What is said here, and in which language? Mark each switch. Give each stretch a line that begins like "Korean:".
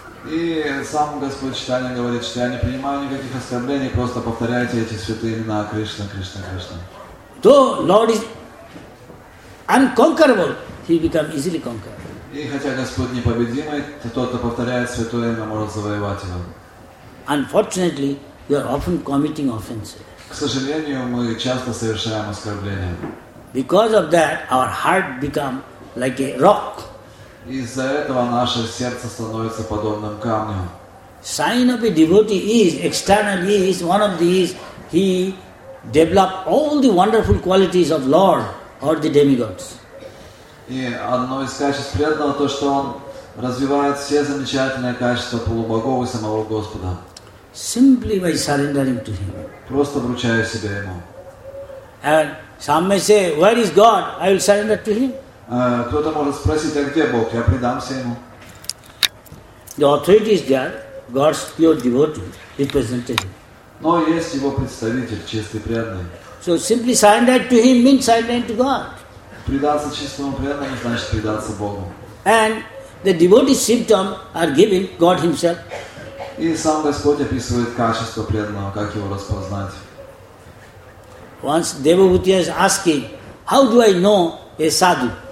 Russian: И сам Господь Читание говорит, что я не принимаю никаких оскорблений, просто повторяйте эти святые имена Кришна, Кришна, Кришна.
English: Though Lord is unconquerable, he become easily conquered.
Russian: И хотя Господь непобедимый, то тот, кто повторяет святое имя, может завоевать его.
English: Unfortunately, we are often committing offenses.
Russian: К сожалению, мы часто совершаем оскорбления.
English: Because of that, our heart become like a rock.
Russian: Из-за этого наше сердце становится подобным камню.
English: Sign of a devotee is, external is, one of these, he develop all the wonderful qualities of Lord or the demigods.
Russian: И одно из качеств преданного, то, что он развивает все замечательные качества полубогов и самого Господа.
English: Simply by surrendering to Him.
Russian: Просто вручая себя Ему.
English: And some may say, where is God? I will surrender to Him.
Russian: Кто-то может спросить, а где Бог? Я предамся Ему.
English: The authority is there, God's pure devotee, representative.
Russian: Но есть Его представитель, чистый преданный.
English: So simply surrender to Him means surrender to God.
Russian: Предаться чистому преданному значит предаться Богу.
English: And the devotee's symptoms are given God Himself.
Russian: И сам Господь описывает качество преданного, как его распознать.
English: Once Devabhuti is asking, how do I know a sadhu?